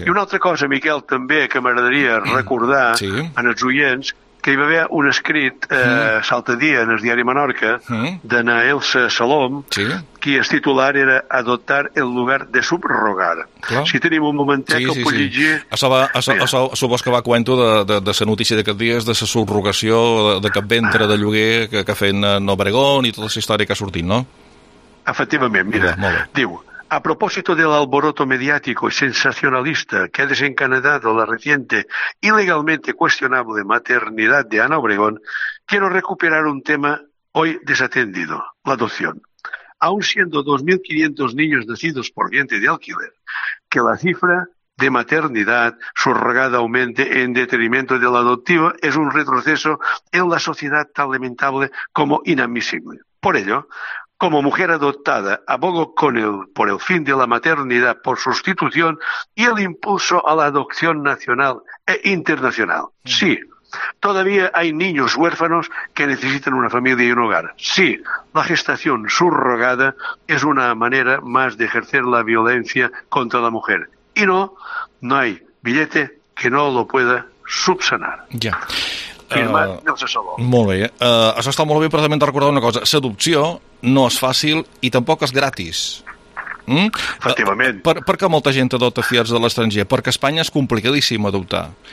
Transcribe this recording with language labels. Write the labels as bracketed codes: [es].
[ca] I una altra cosa, Miquel, també, que m'agradaria recordar en els oients, que hi va haver un escrit l'altre dia en el diari Menorca de na Elsa Salom, qui el titular era [es] Adoptar el lugar de subrogar. [ca] Clar. Si tenim un momentet que ho pugui llegir... Supos que va a cuento de la notícia d'aquest dia, de la subrogació de cap ventre de lloguer que fent en Obregón i tota la història que ha sortit, no? Efectivament, mira. Diu... [es] A propósito del alboroto mediático y sensacionalista que ha desencadenado la reciente y legalmente cuestionable maternidad de Ana Obregón, quiero recuperar un tema hoy desatendido, la adopción. Aun siendo 2.500 niños nacidos por vientre de alquiler, que la cifra de maternidad subrogada aumente en detrimento de la adoptiva es un retroceso en la sociedad tan lamentable como inadmisible. Por ello, como mujer adoptada, abogo por el fin de la maternidad por sustitución y el impulso a la adopción nacional e internacional. Sí, todavía hay niños huérfanos que necesitan una familia y un hogar. Sí, la gestación subrogada es una manera más de ejercer la violencia contra la mujer. Y no hay billete que no lo pueda subsanar. [ca] Ja. Firmat. Molt bé. Això està molt bé, però també hem de recordar una cosa. L'adopció no és fàcil i tampoc és gratis. Efectivament. Per què molta gent adopta fiats de l'estranger? Perquè a Espanya és complicadíssim adoptar.